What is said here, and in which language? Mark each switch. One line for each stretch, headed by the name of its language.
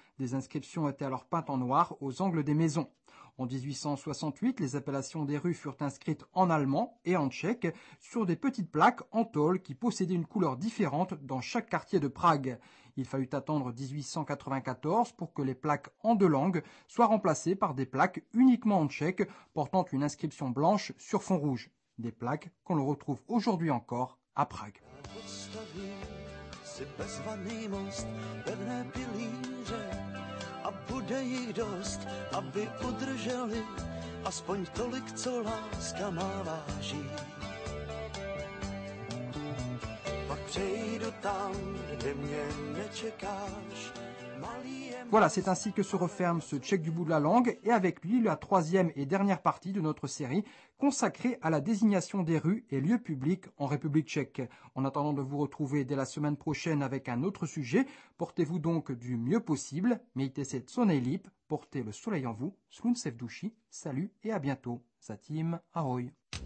French: Des inscriptions étaient alors peintes en noir aux angles des maisons. En 1868, les appellations des rues furent inscrites en allemand et en tchèque sur des petites plaques en tôle qui possédaient une couleur différente dans chaque quartier de Prague. Il fallut attendre 1894 pour que les plaques en deux langues soient remplacées par des plaques uniquement en tchèque portant une inscription blanche sur fond rouge. Des plaques qu'on le retrouve aujourd'hui encore à Prague.
Czech: Postaví si bezvaný most, pevné pilíře, a bude jich dost, aby udrželi aspoň tolik, co láska má váží. Pak přejdu tam, kde mě nečekáš,
French: Voilà, c'est ainsi que se referme ce tchèque du bout de la langue, et avec lui la troisième et dernière partie de notre série consacrée à la désignation des rues et lieux publics en République tchèque. En attendant de vous retrouver dès la semaine prochaine avec un autre sujet, portez-vous donc du mieux possible,
Czech: mějte se co nejlíp,
French: portez le soleil en vous,
Czech: slunce v duši,
French: salut et à bientôt,
Czech: zatím, ahoj.